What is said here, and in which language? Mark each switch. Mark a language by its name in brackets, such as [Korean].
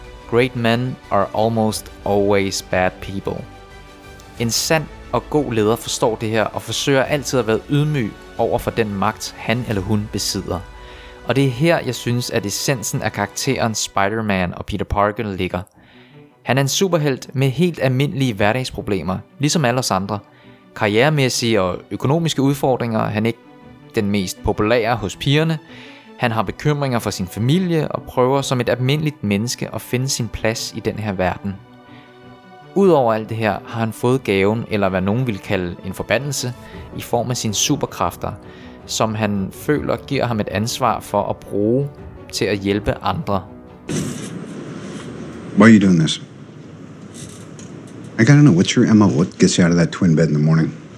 [English] Great men are almost always bad people." [Danish] En sand og god leder forstår det her og forsøger altid at være ydmyg over for den magt, han eller hun besidder. Og det er her, jeg synes, at essensen af karakteren Spider-Man og Peter Parker ligger. Han er en superhelt med helt almindelige hverdagsproblemer, ligesom alle os andre. Karrieremæssige og økonomiske udfordringer, han er ikke den mest populære hos pigerne. Han har bekymringer for sin familie og prøver som et almindeligt menneske at finde sin plads i den her verden. Udover alt det her har han fået gaven, eller hvad nogen vil kalde en forbandelse, i form af sine superkræfter, som han føler giver ham et ansvar for at bruge til at hjælpe andre. [English] Why are you doing this? I gotta know, what's your MO? What gets you out of that twin bed in the morning?